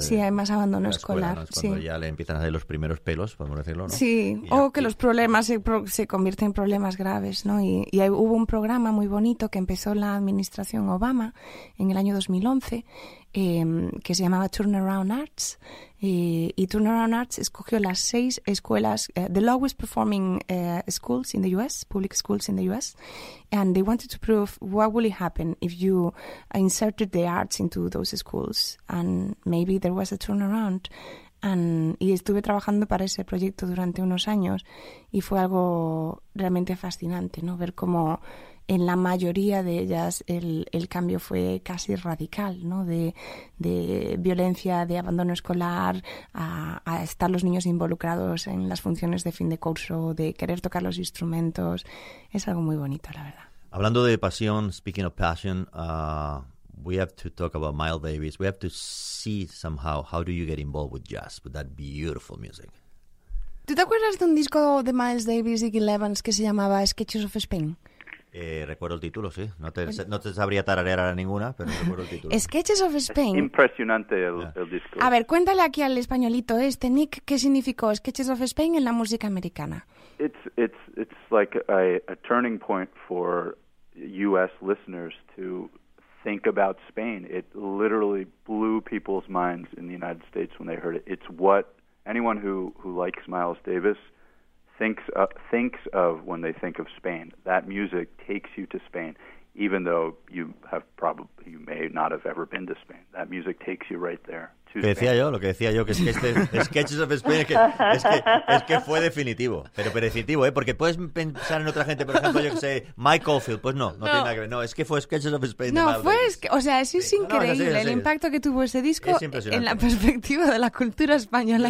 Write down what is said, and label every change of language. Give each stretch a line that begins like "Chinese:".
Spanish: sí, hay más abandono escolar. ¿No? Es cuando sí. Ya le empiezan a dar los primeros pelos, podemos decirlo, ¿no? Sí, y o ya, que y... los problemas se convierten en problemas graves, ¿no? Y hay, hubo un programa muy bonito que empezó la administración Obama en el año 2011, que se llamaba Turnaround Arts. Y Turnaround Arts escogió las seis escuelas,
English: the lowest performing schools in the U.S., public schools in the U.S., and they wanted to prove what would happen if you inserted the arts into those schools, and maybe there was a turnaround.
Spanish: Y estuve trabajando para ese proyecto durante unos años, y fue algo realmente fascinante, ¿no? Ver cómo en la mayoría de ellas el cambio fue casi radical, ¿no? De violencia, de abandono escolar, a estar los niños involucrados en las funciones de fin de curso, de querer tocar los instrumentos. Es algo muy bonito, la verdad. Hablando de pasión,
English: speaking of passion, we have to talk about Miles Davis. We have to see somehow how do you get involved with jazz, with that beautiful music.
Spanish: ¿Tú te acuerdas de un disco de Miles Davis y Gil Evans que se llamaba Sketches of Spain? Recuerdo el título, sí. No te sabría tararear a ninguna, pero recuerdo el título. Sketches of Spain. Es impresionante el disco. A ver, cuéntale aquí al españolito este, Nick, ¿qué significó Sketches of Spain en la música americana?
English: It's like a turning point for U.S. listeners to think about Spain. It literally blew people's minds in the United States when they heard it. It's what anyone who likes Miles Davis thinks of when they think of Spain. That music takes you to Spain, even though you may not have ever been to Spain. That music takes you right there.
Spanish: Lo que decía yo, que es que este Sketches of Spain es que fue definitivo, pero perecitivo, ¿eh? Porque puedes pensar en otra gente, por ejemplo, yo que sé, Mike Oldfield, pues no tiene nada que ver. No, es que fue Sketches of Spain. No, de fue, o sea, eso es increíble, el impacto que tuvo ese disco es en la perspectiva de la cultura española.